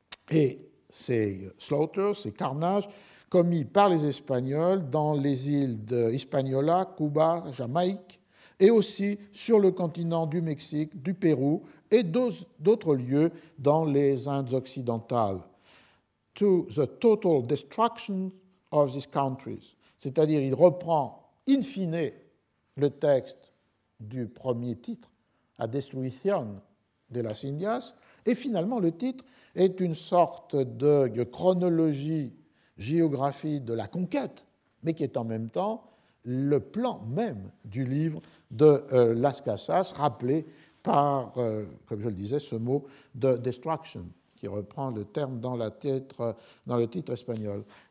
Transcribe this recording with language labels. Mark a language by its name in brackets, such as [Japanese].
[French] Et ces slaughters, ces carnages commis par les Espagnols dans les îles de Hispaniola, Cuba, Jamaïque, et aussi sur le continent du Mexique, du Pérou et d'autres lieux dans les Indes occidentales. [English] To the total destruction of these countries. [French] C'est-à-dire, il reprend in fine le texte du premier titre, à [Spanish] Destruición de las Indias. [French] Et finalement, le titre est une sorte de chronologie, géographie de la conquête, mais qui est en même temps le plan même du livre de Las Casas, rappelé par, comme je le disais, ce mot de destruction, qui reprend le terme dans le titre espagnol.